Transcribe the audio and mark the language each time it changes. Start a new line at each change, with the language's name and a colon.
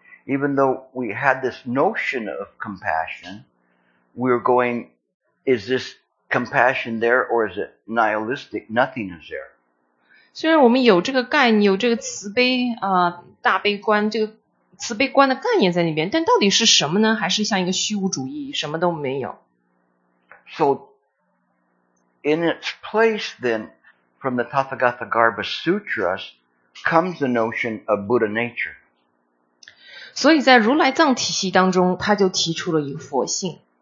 English: Even though we had this notion of compassion, we were going, is this compassion there or is it nihilistic? Nothing is there.
Chinese: 虽然我们有这个概念，有这个慈悲大悲观这个慈悲观的概念在里面，但到底是什么呢？还是像一个虚无主义，什么都没有。
English: So in its place, then, from the Tathagatagarbha Sutras comes the notion of Buddha nature.
Chinese: 所以在如来藏体系当中，他就提出了一个佛性。